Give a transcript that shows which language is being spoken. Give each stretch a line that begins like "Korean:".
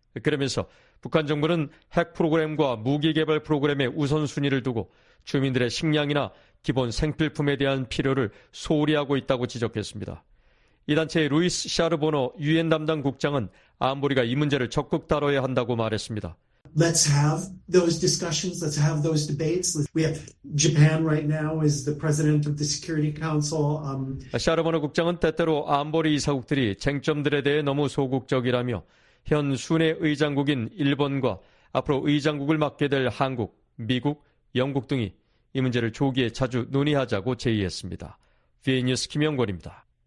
Korean: 그러면서 북한 정부는 핵 프로그램과 무기 개발 프로그램의 우선순위를 두고 주민들의 식량이나 기본 생필품에 대한 필요를 소홀히 하고 있다고 지적했습니다. 이 단체의 루이스 샤르보노 유엔 담당 국장은 안보리가 이 문제를 적극 다뤄야 한다고 말했습니다.
English: Let's have those discussions. Let's have those debates. We have Japan right now is the president of the Security Council.
Korean: 샤르보노 국장은 때때로 안보리 이사국들이 쟁점들에 대해 너무 소극적이라며 현 순회 의장국인 일본과 앞으로 의장국을 맡게 될 한국, 미국, 영국 등이 이 문제를 조기에 자주 논의하자고 제의했습니다. VN 뉴스 김영권입니다.